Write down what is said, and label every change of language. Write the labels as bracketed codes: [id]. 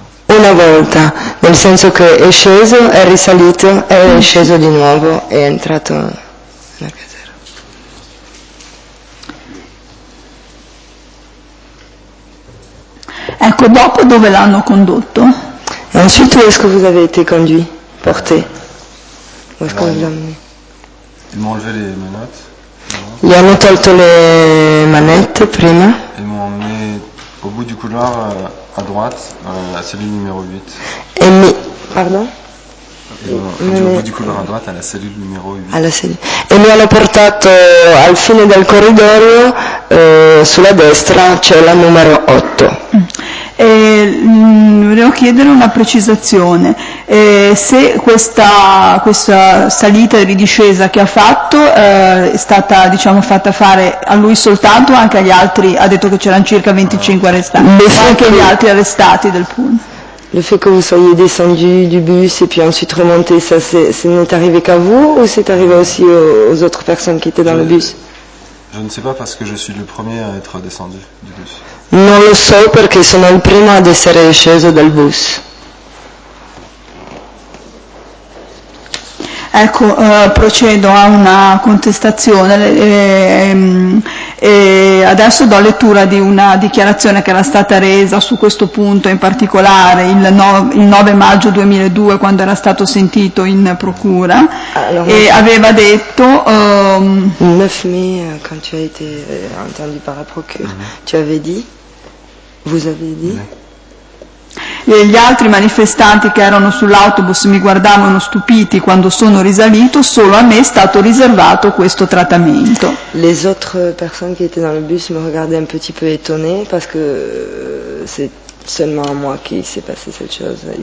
[it] Una volta, nel senso che è sceso, è risalito, è sceso di nuovo, è entrato nella casera. Ecco, dopo dove l'hanno condotto? [fr] E ensuite, où est-ce que vous avez été conduit, porté? Où est-ce qu'on l'a mis? Ils m'ont enlevé les manettes. [it] Gli hanno tolto le manette prima. [fr] Ils m'ont emmené au bout du couloir à droite, à cellule numéro 8. Au bout du couloir à droite, à la cellule numéro 8. [it] Alla cellule. E mi hanno portato al fine del corridoio, sulla destra c'è la numero 8. Volevo chiedere una precisazione. Se questa salita e ridiscesa che ha fatto è stata, diciamo, fatta fare a lui soltanto, anche agli altri, ha detto che c'erano circa 25 arrestati, anche gli altri arrestati del pullman. [fr] Le fait que vous soyez descendu du bus et puis ensuite remonté, ça n'est arrivé qu'à vous ou c'est arrivé aussi aux autres personnes qui étaient dans le bus? Je ne sais pas parce que je suis le premier à être descendu du bus. [it] Non lo so perché sono il primo ad essere sceso dal bus. Ecco, procedo a una contestazione. Adesso do lettura di una dichiarazione che era stata resa su questo punto in particolare il 9 maggio 2002 quando era stato sentito in procura. Allora, e aveva detto il 9 maggio quando tu hai [fr] été entendu par la procura, tu avais dit, vous avez dit. [it] E gli altri manifestanti che erano sull'autobus mi guardavano stupiti quando sono risalito, solo a me è stato riservato questo trattamento. [fr] Les autres personnes qui étaient dans le bus me regardaient un petit peu étonné parce que c'est seulement à moi qui s'est passé cette chose.